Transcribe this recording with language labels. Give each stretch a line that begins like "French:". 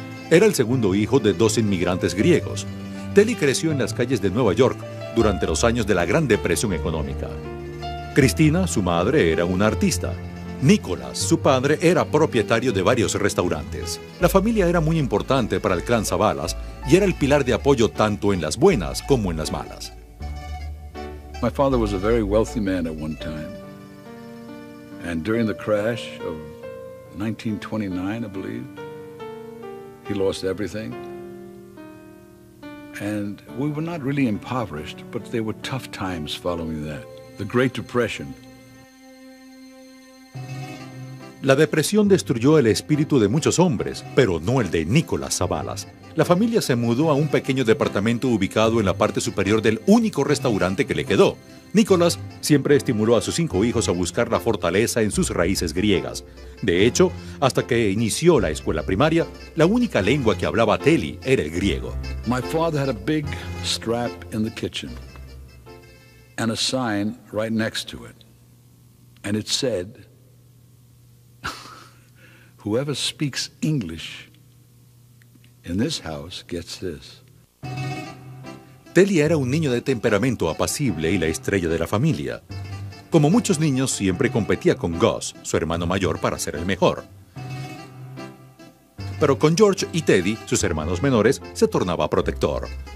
Spanish: Era el segundo hijo de 2 inmigrantes griegos. Telly creció en las calles de Nueva York durante los años de la Gran Depresión Económica. Cristina, su madre, era una artista. Nicolás, su padre, era propietario de varios restaurantes. La familia era muy importante para el clan Savalas y era el pilar de apoyo tanto en las buenas como en las malas.
English: My father was a very wealthy man at one time. And during the crash of 1929, I believe, he lost everything. And we were not really impoverished, but there were tough times following that. The Great Depression.
Spanish: La depresión destruyó el espíritu de muchos hombres, pero no el de Nicolás Savalas. La familia se mudó a un pequeño departamento ubicado en la parte superior del único restaurante que le quedó. Nicolás siempre estimuló a sus 5 hijos a buscar la fortaleza en sus raíces griegas. De hecho, hasta que inició la escuela primaria, la única lengua que hablaba Telly era el griego.
English: My father had a big strap in the kitchen. And a sign right next to it. And it said, whoever speaks English in this house gets this.
Spanish: Telly era un niño de temperamento apacible y la estrella de la familia. Como muchos niños, siempre competía con Gus, su hermano mayor, para ser el mejor. Pero con George y Teddy, sus hermanos menores, se tornaba protector.